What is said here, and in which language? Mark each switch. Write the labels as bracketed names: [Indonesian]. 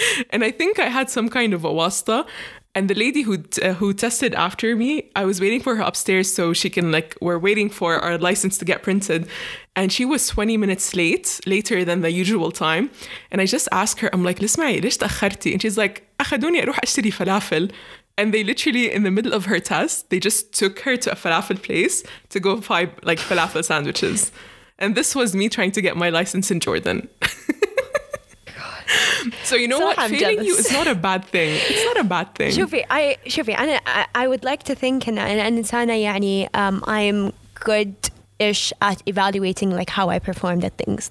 [English] And I think I had some kind of a واسطة. And the lady who tested after me, I was waiting for her upstairs so she can, like, we're waiting for our license to get printed. And she was 20 minutes later than the usual time. And I just asked her, I'm like, [Arabic] لسمعي, ليش تأخرتي? And she's like, أخذوني أروح أشتري فلافل. [English] And they literally, in the middle of her test, they just took her to a falafel place to go buy, like, falafel sandwiches. And this was me trying to get my license in Jordan. So you know so what? I'm failing jealous. You is not a bad thing. It's not a bad thing. Shufi, I would like to think I'm good-ish at evaluating, like, how I performed at things.